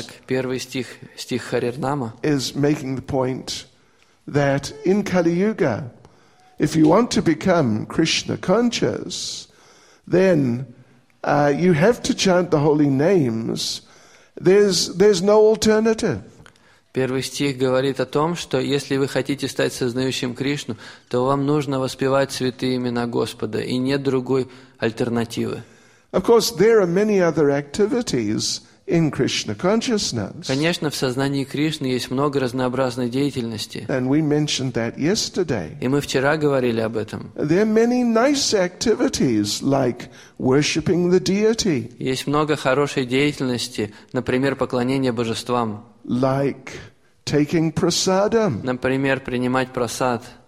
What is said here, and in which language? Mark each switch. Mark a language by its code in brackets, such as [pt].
[ru] Итак, первый стих, стих Харирнама. [en] Is making the point that in Kali Yuga, if you want to become Krishna conscious, then you have to chant the holy names. There's no alternative. [ru] Первый стих говорит о том, что если вы хотите стать сознающим Кришну, то вам нужно воспевать святые имена Господа, и нет другой альтернативы. [en] Of course, there are many other activities in Krishna consciousness. [ru] Конечно, в сознании Кришны есть много разнообразной деятельности. [en] And we mentioned that yesterday. [ru] И мы вчера говорили об этом. [en] There are many nice activities like worshiping the deity. [ru] Есть много хорошей деятельности, например, поклонение божествам. [en] Like taking prasadam. [ru] Например, принимать прасад.